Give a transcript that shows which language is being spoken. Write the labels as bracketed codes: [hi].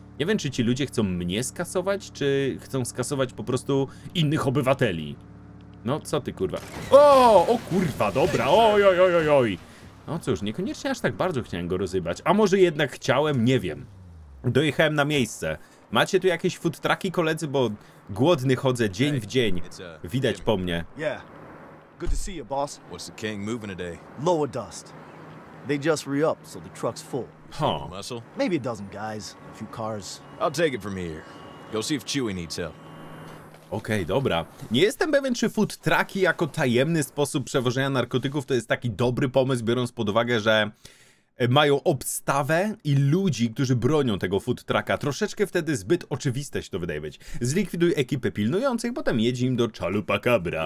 [pl] Nie wiem, czy ci ludzie chcą mnie skasować, czy chcą skasować po prostu innych obywateli. No, co ty, kurwa. O kurwa, dobra, oj. No cóż, niekoniecznie aż tak bardzo chciałem go rozjebać. A może jednak chciałem, nie wiem. Dojechałem na miejsce. Macie tu jakieś food trucki, koledzy, bo głodny chodzę dzień w dzień. Widać po mnie. [en] Good to see you, boss. What's the king moving today? Lower dust. They just re-up, so the truck's full. Huh. Maybe a dozen guys, a few cars. I'll take it from here. Go see if Chewie needs help. [pl] Okej, dobra. Nie jestem pewien, czy food trucki jako tajemny sposób przewożenia narkotyków to jest taki dobry pomysł, biorąc pod uwagę, że mają obstawę i ludzi, którzy bronią tego food trucka. Troszeczkę wtedy zbyt oczywiste się to wydaje być. Zlikwiduj ekipę pilnujących, potem jedź im do Chalupacabra.